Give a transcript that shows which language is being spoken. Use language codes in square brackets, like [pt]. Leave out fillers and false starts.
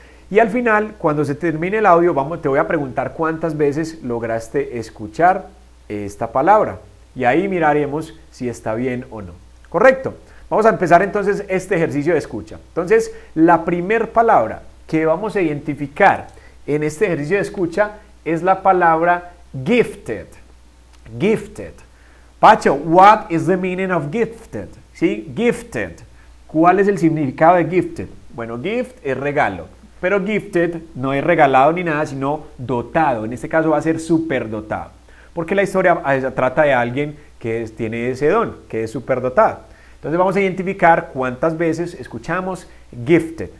[es] Y al final, cuando se termine el audio, te voy a preguntar cuántas veces lograste escuchar esta palabra. Y ahí miraremos si está bien o no. Correcto. Vamos a empezar entonces este ejercicio de escucha. Entonces, la primer palabra que vamos a identificar en este ejercicio de escucha es la palabra gifted. [en] Gifted. Pacho, what is the meaning of gifted? [es] ¿Sí? Gifted. ¿Cuál es el significado de gifted? Bueno, gift es regalo, pero gifted no es regalado ni nada, sino dotado. En este caso va a ser superdotado, porque la historia trata de alguien que tiene ese don, que es superdotado. Entonces vamos a identificar cuántas veces escuchamos gifted.